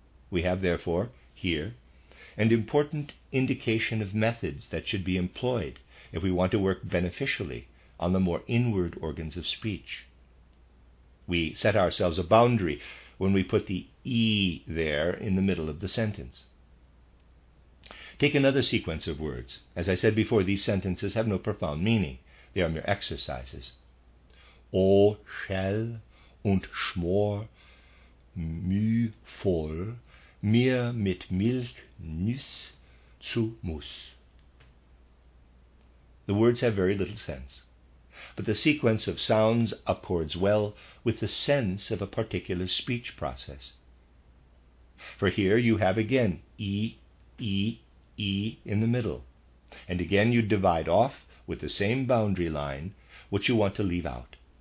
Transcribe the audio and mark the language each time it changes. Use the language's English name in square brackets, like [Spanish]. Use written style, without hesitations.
[English] We have, therefore, here, an important indication of methods that should be employed if we want to work beneficially on the more inward organs of speech. We set ourselves a boundary when we put the E there in the middle of the sentence. Take another sequence of words. As I said before, these sentences have no profound meaning. They are mere exercises. [German] O schell und schmor mühvoll mir mit Milch nüss zu muss. [English] The words have very little sense, but the sequence of sounds accords well with the sense of a particular speech process. For here you have again E, E, E in the middle, and again you divide off with the same boundary line what you want to leave out.